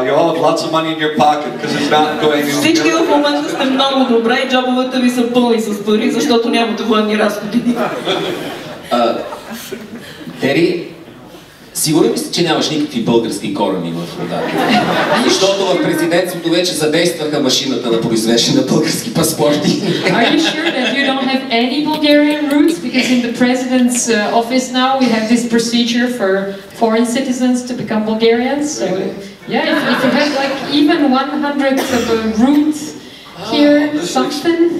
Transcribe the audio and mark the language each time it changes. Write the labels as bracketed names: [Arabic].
[English] You all have lots of money in your pocket because it's not going anywhere. [Bulgarian] Всички в момента сте много добре и джобовете ви са пълни с пари, защото нямате военни разходи. Тери, сигурен ли си, че нямаш никакви български корени в рода? Защото в президентството вече задействаха машината на произвеждане на български паспорти. [English] Are you sure that you don't have any Bulgarian roots? Because in the president's office now we have this procedure for foreign citizens to become Bulgarians. So, yeah, if you have like even 100th of a root here, oh, something.